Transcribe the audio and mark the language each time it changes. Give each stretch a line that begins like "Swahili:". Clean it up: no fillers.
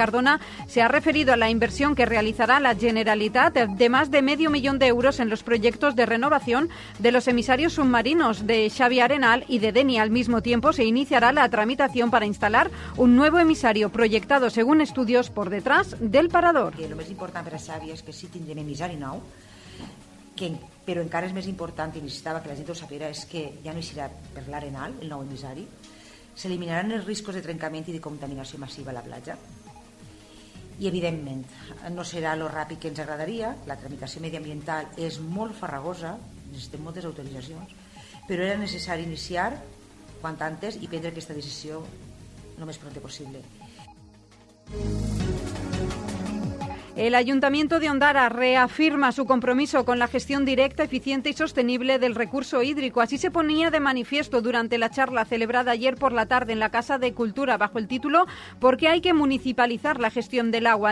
Spanish: Cardona se ha referido a la inversión que realizará la Generalitat de más de 500.000 euros en los proyectos de renovación de los emisarios submarinos de Xavia Arenal y de Denia. Al mismo tiempo, se iniciará la tramitación para instalar un nuevo emisario proyectado, según estudios, por detrás del parador. Lo más importante para Xavia es que sí tienen emisario nou.
Catalan: Però encara és més important i necessitava que la gent ho sapera és que ja no hi serà per l'Arenal, el nou emissari, s'eliminaran els riscos de trencament i de contaminació massiva a la platja i evidentment no serà lo ràpid que ens agradaria, la tramitació mediambiental és molt farragosa, necessitem moltes autoritzacions, però era necessari iniciar quant antes i prendre aquesta decisió el més pront possible.
Spanish: El Ayuntamiento de Ondara reafirma su compromiso con la gestión directa, eficiente y sostenible del recurso hídrico. Así se ponía de manifiesto durante la charla celebrada ayer por la tarde en la Casa de Cultura bajo el título ¿Por qué hay que municipalizar la gestión del agua?